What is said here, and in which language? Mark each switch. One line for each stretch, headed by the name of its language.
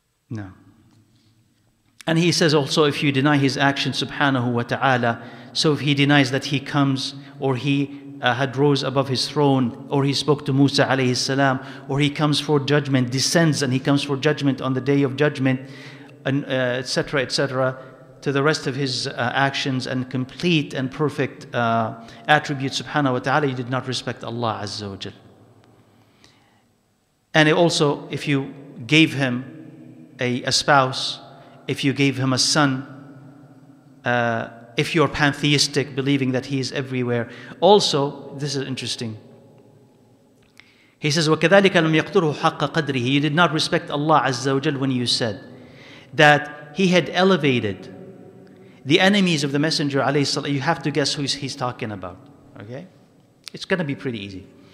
English: Right? No. And he says also, if you deny His action, subhanahu wa ta'ala, so if He denies that He comes, or He had rose above His throne, or He spoke to Musa alayhi salam, or He comes for judgment, descends and He comes for judgment on the day of judgment, and etc., etc., to the rest of His actions and complete and perfect attributes, subhanahu wa ta'ala, you did not respect Allah Azza wa Jal. And also, if you gave Him a spouse, if you gave Him a son, if you're pantheistic, believing that He is everywhere. Also, this is interesting. He says,
Arabic: وَكَذَلِكَ لَمْ يَقْتُرُهُ حَقَّ قَدْرِهِ.
English: You did not respect Allah Azza wa Jal when you said that He had elevated the enemies of the Messenger, alayhi salam. You have to guess who he's talking about, okay? It's going to be pretty easy.